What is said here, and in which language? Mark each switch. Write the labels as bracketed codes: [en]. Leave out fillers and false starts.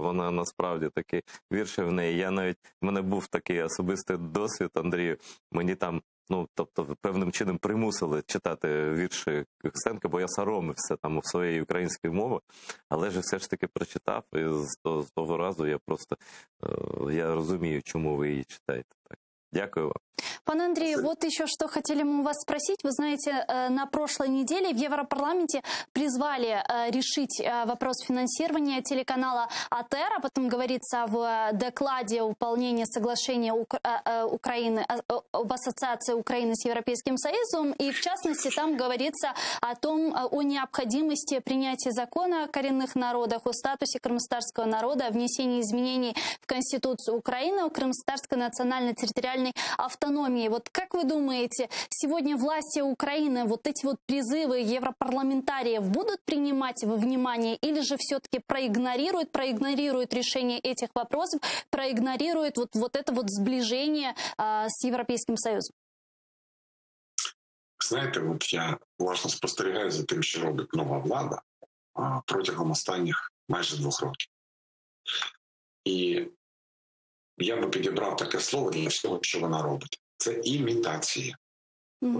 [uk] Вона насправді такі вірші в неї. Я навіть, в мене був такий особистий досвід, Андрію, мені там, ну, тобто, певним чином примусили читати вірші Костенка, бо я соромився там у своїй українській мові, але ж все ж таки прочитав, і з того разу я просто, я розумію, чому ви її читаєте. Так. Дякую вам. [ru] Пан Андрей, вот еще что хотели мы у вас спросить. Вы знаете, на прошлой неделе в Европарламенте призвали решить вопрос финансирования телеканала АТР, об этом говорится в докладе выполнения соглашения Украины об ассоциации Украины с Европейским Союзом. И в частности, там говорится о том, о необходимости принятия закона о коренных народах, о статусе крымско-татарского народа, о внесении изменений в Конституцию Украины, о крымско-татарской национально-территориальной автономии. Вот как вы думаете, сегодня власти Украины вот эти вот призывы европарламентариев будут принимать во внимание или же все-таки проигнорируют решение этих вопросов, проигнорируют вот это вот сближение с Европейским Союзом? [uk] Знаете, вот я уважно спостерігаю за тем, что робить новая влада протягом останніх майже двух років. И я бы підібрав таке слово для всего, что вона робить. Це імітація. Mm-hmm.